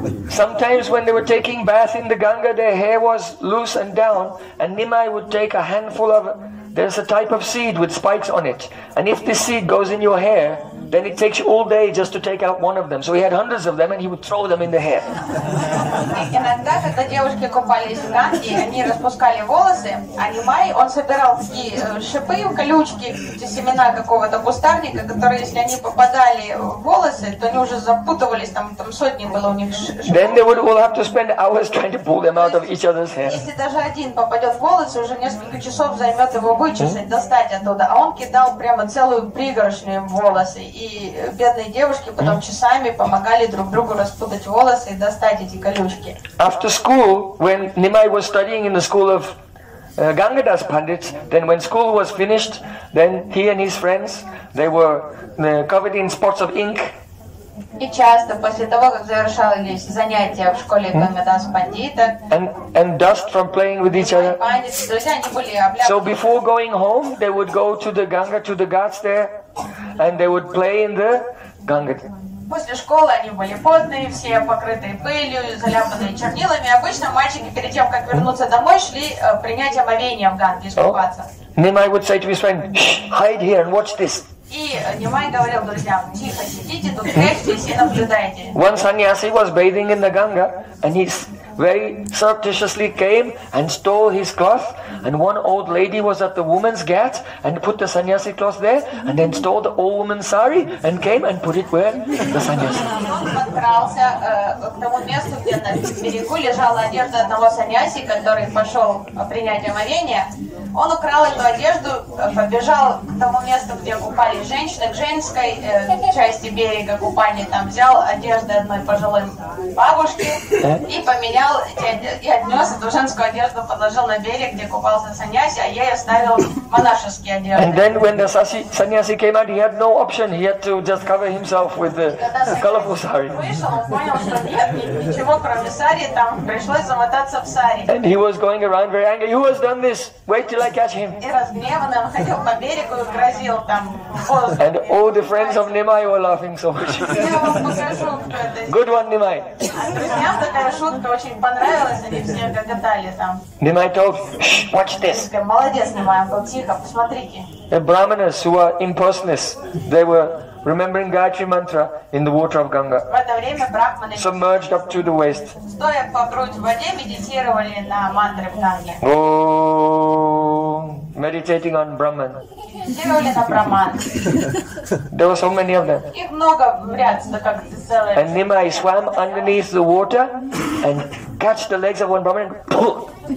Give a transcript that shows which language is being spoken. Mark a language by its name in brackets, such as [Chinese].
[English] Sometimes when they were taking bath in the Ganga, their hair was loose and down, and Nimai would take a handful of, there's a type of seed with spikes on it, and if this seed goes in your hair, then it takes you all day just to take out one of them. So he had hundreds of them and he would throw them in the hair. [Russian] Иногда, когда девушки купались в Ганге, они распускали волосы, а Нимай, он собирал такие шипы, колючки, семена какого-то кустарника, которые, если они попадали в волосы, то они уже запутывались, там сотни было у них шипов. [English] Then they would all have to spend hours trying to pull them out of each other's hair. [Russian] Если даже один попадет в волосы, уже несколько часов займет его вычесать, достать оттуда. А он кидал прямо целую пригоршню волос. И бедные девушки потом часами помогали друг другу распутать волосы и достать эти колючки. [English] After school, when Nimai was studying in the school of Gangadas Pandits, then when school was finished, then he and his friends, they were covered in spots of ink. [Russian] И часто после того, как завершались занятия в школе Гангадас Пандита, [English] and dust from playing with each other. So before going home, they would go to the Ganga, to the ghats there. And they would play in the Ganga. [Russian] После школы они были потные, все покрытые пылью, заляпанные чернилами. Обычно мальчики перед тем, как вернуться домой, шли принять омовение в Ганге, искупаться. [English] Nimai would say to his friend, "Shh, hide here and watch this." [Russian] И Nimai говорил друзьям, тихо сидите, тут прячьтесь и наблюдайте. [English] One sannyasi was bathing in the Ganga, and he very surreptitiously came and stole his cloth, and one old lady was at the woman's ghat and put the sannyasi cloth there, and then stole the old woman's sari and came and put it where? The sannyasi. [Russian] Он подкрался к тому месту, где на берегу лежала одежда одного сannyasi, который пошел принять омовение. Он украл эту одежду, побежал к тому месту, где купали женщины, к женской части берега купания, там взял одежду одной пожилой бабушки и поменял. И отнес эту женскую одежду, положил на берег, где купался саньяси, а ей оставил монашеские одежды. [English] And then when the саньяси came out, he had no option, he had to just cover himself with the colorful sari. [Russian] Вышел, он понял, что нет ничего кроме сари, там пришлось замотаться в сари. [English] And he was going around very angry. Who has done this? Wait till I catch him. [Russian] И разгневанный, он ходил по берегу и грозил там. [English] And all the friends of Nimai were laughing so much. Good one, Nimai. [Russian] Друзьям такая шутка очень понравилась, они все гагатали там. [English] Nimai told, "Shh, watch this." [Russian] Молодец, Nimai, он был тихо, посмотрите. [English] The brahmanas who were impersonalists, they were remembering Gayatri mantra in the water of Ganga. [Russian] В это время брахманы [English] submerged up to the waist. [Russian] Стоя по грудь в воде, медитировали на мантре в Ганге. Om, [English] meditating on Brahman. [Russian] Медитировали на Брахман. [English] There were so many of them. [Russian] Их много в ряд, как целые. [English] And Nimai swam underneath the water and catch the legs of one Brahman and pull.